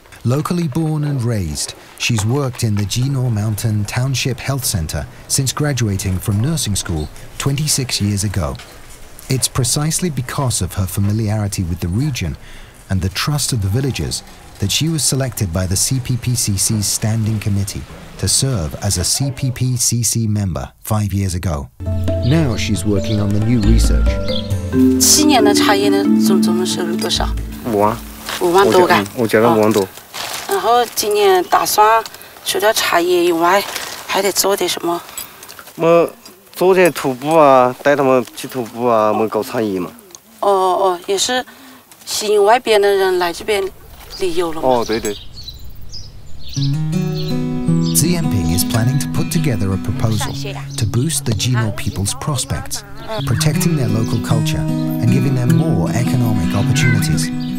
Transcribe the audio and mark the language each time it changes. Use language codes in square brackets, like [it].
[en] Locally born and raised, she's worked in the Jinuo Mountain Township Health Center since graduating from nursing school 26 years ago. It's precisely because of her familiarity with the region and the trust of the villagers that she was selected by the CPPCC's Standing Committee to serve as a CPPCC member 5 years ago. Now she's working on the new research. [zh] 七年的茶叶的总收入多少？五万多个。我觉得五万多。后今年打算除了茶叶以外还得做点什么？我做点徒步啊，带他们去徒步啊，我们搞餐饮嘛。哦哦，也是吸引外边的人来这边旅游了吗？哦，对对。 [en] Ziyanping is planning to put together a proposal to boost the Jino people's prospects, protecting their local culture and giving them more economic opportunities.